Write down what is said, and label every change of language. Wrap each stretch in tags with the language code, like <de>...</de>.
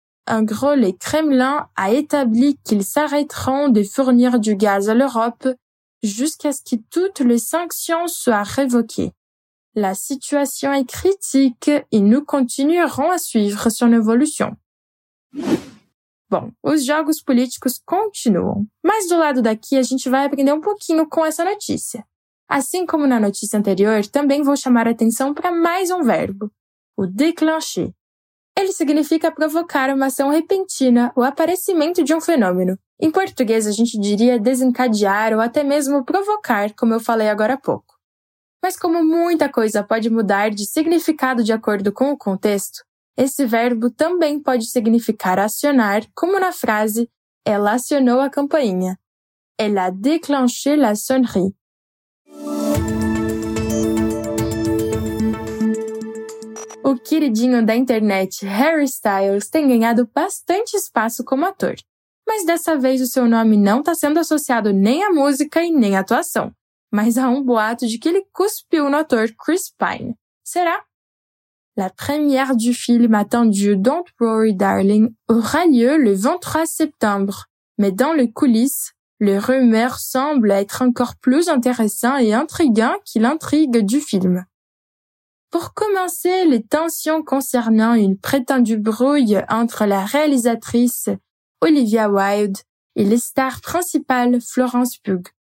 <fr>En gros, le Kremlin a établi qu'ils s'arrêteront de fournir du gaz à l'Europe jusqu'à ce que toutes les sanctions soient révoquées. La situation est critique et nous continuerons à suivre son évolution.</fr> <pt>Bom, os jogos políticos continuam, mas do lado daqui a gente vai aprender um pouquinho com essa notícia. Assim como na notícia anterior, também vou chamar a atenção para mais um verbo, o déclencher. Ele significa provocar uma ação repentina, o aparecimento de um fenômeno. Em português, a gente diria desencadear ou até mesmo provocar, como eu falei agora há pouco. Mas como muita coisa pode mudar de significado de acordo com o contexto, esse verbo também pode significar acionar, como na frase «Ela acionou a campainha».</pt> <fr>«Elle a déclenché la sonnerie».</fr> <pt>O queridinho da internet Harry Styles tem ganhado bastante espaço como ator. Mas dessa vez o seu nome não está sendo associado nem à música e nem à atuação. Mas há um boato de que ele cuspiu no ator Chris Pine. Será?</pt> <fr>La première du film attendu Don't Worry Darling aura lieu le 23 septembre. Mais dans les coulisses, les rumeurs semblent être encore plus intéressants et intrigants que l'intrigue du film. Pour commencer, les tensions concernant une prétendue brouille entre la réalisatrice Olivia Wilde et les stars principales Florence Pugh.</fr>